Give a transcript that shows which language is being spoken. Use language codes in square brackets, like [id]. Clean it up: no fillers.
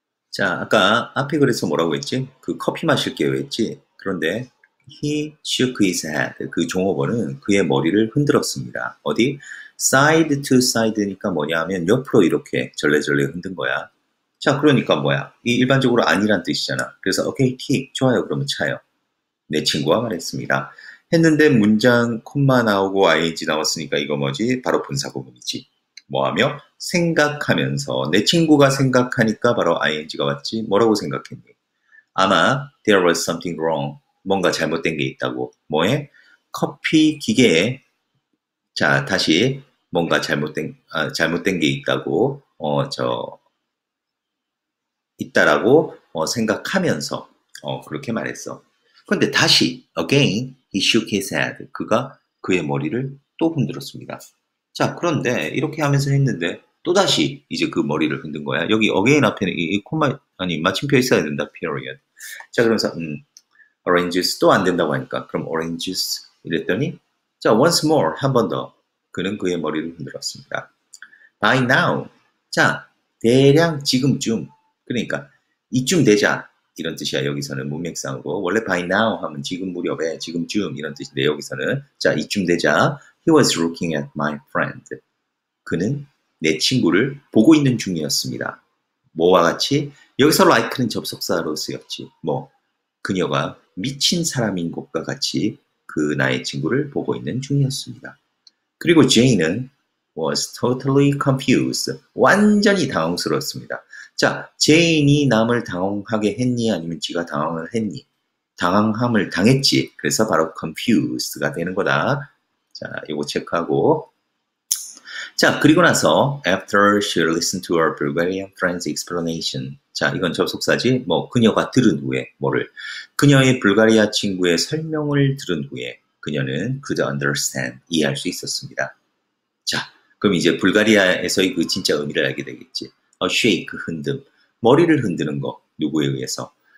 [ko] 자, 아까 앞에 글에서 뭐라고 했지? 그 커피 마실게요 했지? 그런데 [en] he shook his head. [ko] 그 종업원은 그의 머리를 흔들었습니다. 어디? [en] side to side [ko] 니까 뭐냐 하면 옆으로 이렇게 절레절레 흔든 거야. 자, 그러니까 뭐야? 이 일반적으로 아니란 뜻이잖아. [en] 그래서 okay, key. [ko] 좋아요. 그러면 차요. 내 친구가 말했습니다. 했는데 문장 콤마 나오고 ing 나왔으니까 이거 뭐지? 바로 분사 구문이지. 뭐 하며? 생각하면서. 내 친구가 생각하니까 바로 ing가 왔지. 뭐라고 생각했니? 아마 [en] there was something wrong. [ko] 뭔가 잘못된 게 있다고. 뭐해? 커피 기계에. 자, 다시. 뭔가 잘못된 게 있다고. 있다라고 생각하면서. 그렇게 말했어. 그런데 다시. [en] Again, he shook his head. [ko] 그가 그의 머리를 또 흔들었습니다. 자, 그런데 이렇게 하면서 했는데 또다시 이제 그 머리를 흔든 거야. 여기 again 앞에는 이 콤마, 아니, 마침표 있어야 된다. [en] period. [ko] 자, 그러면서, oranges 또안 된다고 하니까. 그럼 oranges 이랬더니, 자, [en] once more. [ko] 한번 더. 그는 그의 머리를 흔들었습니다. [en] by now. [ko] 자, 대략 지금쯤. 그러니까, 이쯤 되자. 이런 뜻이야. 여기서는 문맥상으로. 원래 by now 하면 지금 무렵에, 지금쯤. 이런 뜻인데, 여기서는. 자, 이쯤 되자. [en] he was looking at my friend. [ko] 그는 내 친구를 보고 있는 중이었습니다. 뭐와 같이? 여기서 like는 접속사로 쓰였지. 뭐, 그녀가 미친 사람인 것과 같이 그 나의 친구를 보고 있는 중이었습니다. 그리고 제인은 [en] was totally confused. [ko] 완전히 당황스러웠습니다. 자, 제인이 남을 당황하게 했니? 아니면 지가 당황을 했니? 당황함을 당했지. 그래서 바로 confused가 되는 거다. 자, 이거 체크하고. 자, 그리고 나서, [en] after she listened to her Bulgarian friend's explanation. [ko] 자, 이건 접속사지. 뭐, 그녀가 들은 후에, 뭐를. 그녀의 불가리아 친구의 설명을 들은 후에, 그녀는 [en] could understand. [ko] 이해할 수 있었습니다. 자, 그럼 이제 불가리아에서의 그 진짜 의미를 알게 되겠지. [en] A shake, [ko] 흔듦. 머리를 흔드는 거. 누구에 의해서?